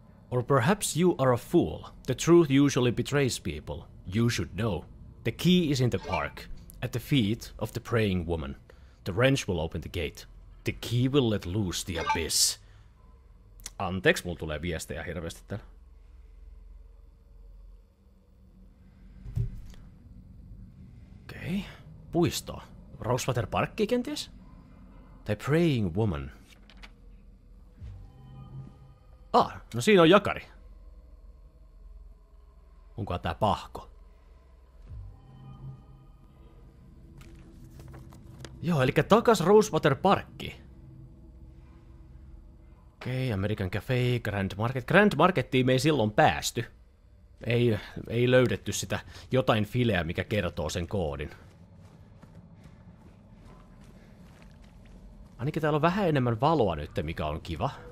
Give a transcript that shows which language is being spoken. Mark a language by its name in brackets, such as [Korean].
[English] Or perhaps you are a fool. The truth usually betrays people. You should know. The key is in the park, at the feet of the praying woman. The wrench will open the gate. The key will let loose the abyss. [Finnish] Anteeksi, mulla tulee viestejä hirveästi täällä. Okei. Okay. Puisto. Rosewater Parkki kenties? [English] The praying woman. [Finnish] Ah, no siinä on jakari. Onkohan tää pahko? Joo, elikkä takas Rosewater Parkki. Okei, okay, American Cafe, Grand Market. Grand Markettiin me ei silloin päästy. Ei löydetty sitä jotain fileä, mikä kertoo sen koodin. Ainakin täällä on vähän enemmän valoa nyt, mikä on kiva.